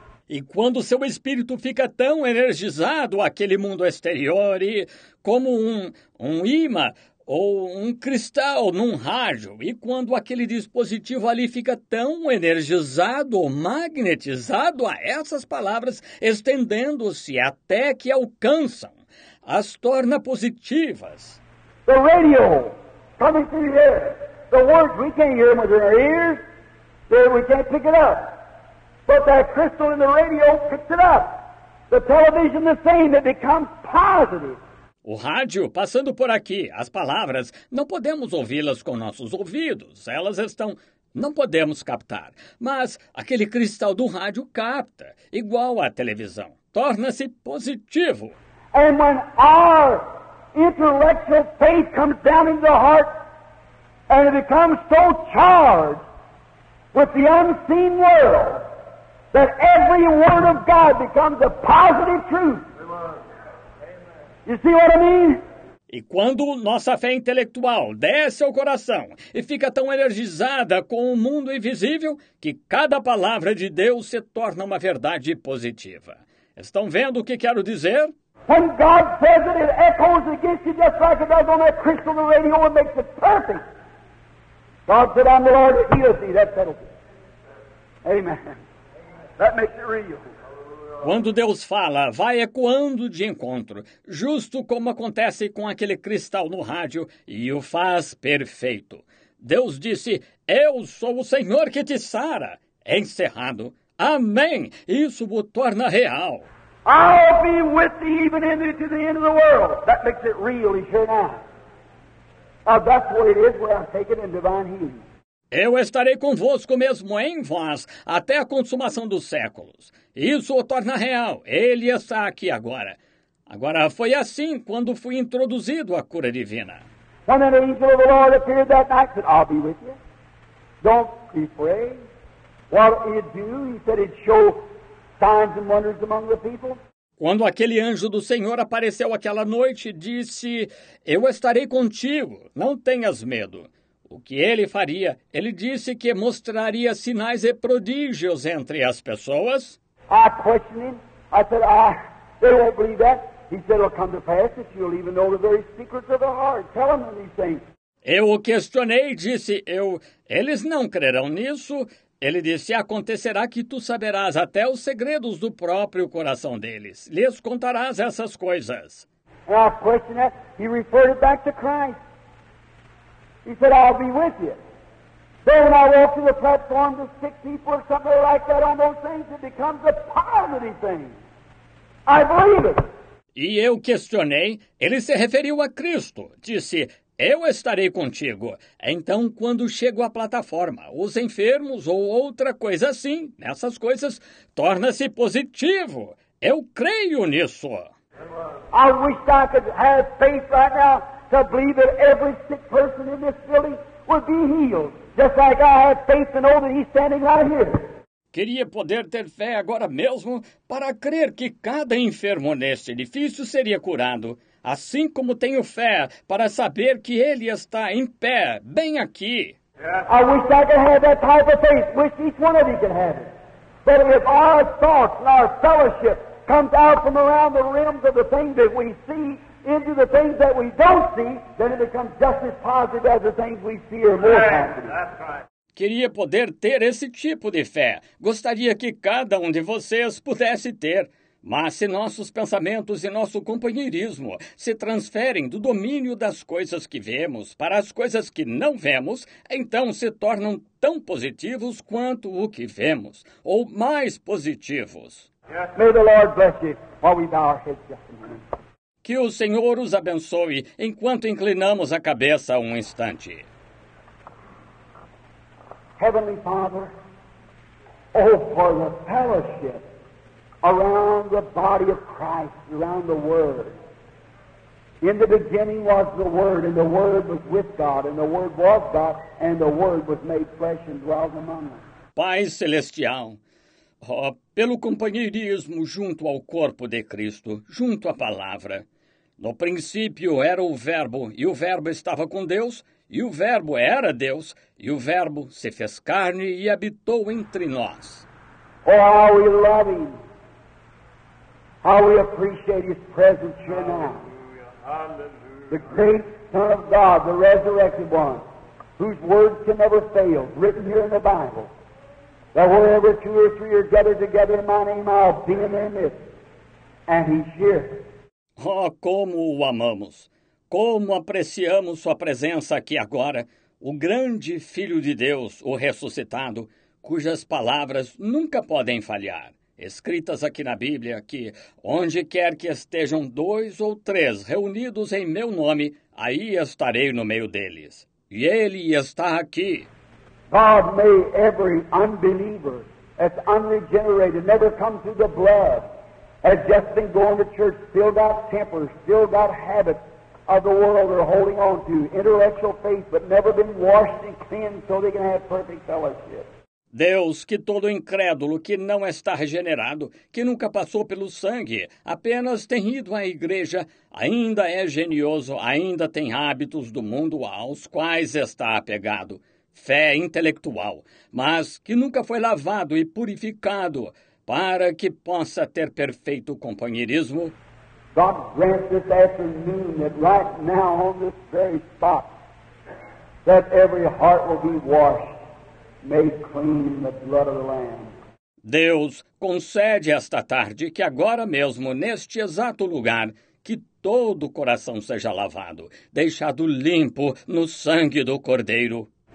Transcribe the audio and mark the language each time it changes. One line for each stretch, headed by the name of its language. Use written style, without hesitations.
Portuguese: E quando seu espírito fica tão energizado aquele mundo exterior e como um imã ou um cristal num rádio, e quando aquele dispositivo ali fica tão energizado ou magnetizado a essas palavras, estendendo-se até que alcançam, as torna positivas.
English: The radio coming through the air, the words we can't hear them with our ears, we can't pick it up. But that crystal in the radio picks it up. The television the same, it becomes positive.
Portuguese: O rádio passando por aqui, as palavras, não podemos ouvi-las com nossos ouvidos, elas estão, não podemos captar. Mas aquele cristal do rádio capta, igual à televisão, torna-se positivo.
English: And when our intellectual faith comes down into the heart and it becomes so charged with the unseen world that every word of God becomes a positive truth. You see what I mean?
Portuguese: E quando nossa fé intelectual desce ao coração e fica tão energizada com o mundo invisível que cada palavra de Deus se torna uma verdade positiva. Estão vendo o que quero dizer?
English: When God says it, it echoes against you just like it does on that crystal in the radio and makes it perfect. God said, I'm the Lord that healeth thee. That settles it. Amen. That makes it real.
Portuguese: Quando Deus fala, vai ecoando de encontro, justo como acontece com aquele cristal no rádio, e o faz perfeito. Deus disse, eu sou o Senhor que te sara. Encerrado. Amém. Isso o torna real.
English: I'll be with thee even into the end of the world. That makes it real, he sure now. That's what it is where I'm taken in divine healing.
Portuguese: Eu estarei convosco mesmo em vós até a consumação dos séculos. Isso o torna real. Ele está aqui agora. Agora, foi assim quando fui introduzido à cura divina.
English: When an angel of the Lord appeared that night, said, I'll be with you. Don't be afraid. What it do, he said, it show signs and wonders among the people.
Portuguese: Quando aquele anjo do Senhor apareceu aquela noite, disse, eu estarei contigo, não tenhas medo. O que ele faria? Ele disse que mostraria sinais e prodígios entre as pessoas.
English: I questioned him. I said, they won't believe that. He said, it'll come to pass that you'll even know the very secrets of the heart. Tell them these things.
Portuguese: Eu o questionei, disse eu, eles não crerão nisso. Ele disse, acontecerá que tu saberás até os segredos do próprio coração deles. Lhes contarás essas coisas.
English: And I questioned that. He referred it back to Christ. He said, I'll be with you. So when I walk to the platform to six people or something like that on those things, it becomes a positive thing. I believe it.
Portuguese: E eu questionei, ele se referiu a Cristo, disse, eu estarei contigo. Então, quando chego à plataforma, os enfermos ou outra coisa assim, nessas coisas, torna-se positivo. Eu creio nisso.
English: I wish I could have faith right now to believe that every sick person in this building would be healed, just like I have faith to know that he's standing right here.
Portuguese: Queria poder ter fé agora mesmo para crer que cada enfermo neste edifício seria curado, assim como tenho fé para saber que ele está em pé, bem aqui.
English: I wish I could have that type of faith. Wish each one of you could have it. But if our thoughts and our fellowship comes out from around the rims of the things that we see into the things that we don't see, then it becomes just as positive as the things we see or more positive. That's right.
Portuguese: Queria poder ter esse tipo de fé. Gostaria que cada um de vocês pudesse ter. Mas se nossos pensamentos e nosso companheirismo se transferem do domínio das coisas que vemos para as coisas que não vemos, então se tornam tão positivos quanto o que vemos, ou mais positivos.
English: May the Lord bless you while we bow our heads just a moment.
Portuguese: Que o Senhor os abençoe enquanto inclinamos a cabeça um instante.
English: Heavenly Father, oh, for the fellowship around the body of Christ, around the Word. In the beginning was the Word, and the Word was with God, and the Word was God, and the Word was made flesh and dwelt among us.
Portuguese: Pai Celestial, oh, pelo companheirismo junto ao corpo de Cristo, junto à palavra. No princípio era o Verbo, e o Verbo estava com Deus, e o Verbo era Deus, e o Verbo se fez carne e habitou entre nós.
English: Oh, how we love Him. How we appreciate His presence here now. Hallelujah. Hallelujah. The great Son of God, the resurrected one, whose words can never fail, written here in the Bible, that wherever two or three are gathered together in my name, I'll be in their midst. And He's here.
Portuguese: Oh, como o amamos! Como apreciamos sua presença aqui agora, o grande Filho de Deus, o ressuscitado, cujas palavras nunca podem falhar, escritas aqui na Bíblia, que onde quer que estejam dois ou três reunidos em meu nome, aí estarei no meio deles. E Ele está aqui.
English: God, may every unbeliever that's unregenerated never come through the blood, has just been going to church, still got temper, still got habits of the world they're holding on to, intellectual faith, but never been washed and cleansed so they can have perfect fellowship.
Portuguese: Deus, que todo incrédulo que não está regenerado, que nunca passou pelo sangue, apenas tem ido à igreja, ainda é genioso, ainda tem hábitos do mundo aos quais está apegado, fé intelectual, mas que nunca foi lavado e purificado para que possa ter perfeito companheirismo.
English: God grant this afternoon that right now on this very spot that every heart will be washed, made clean in the blood of the Lamb.
Portuguese: Deus, concede esta tarde que agora mesmo, neste exato lugar, que todo o coração seja lavado, deixado limpo no sangue do Cordeiro.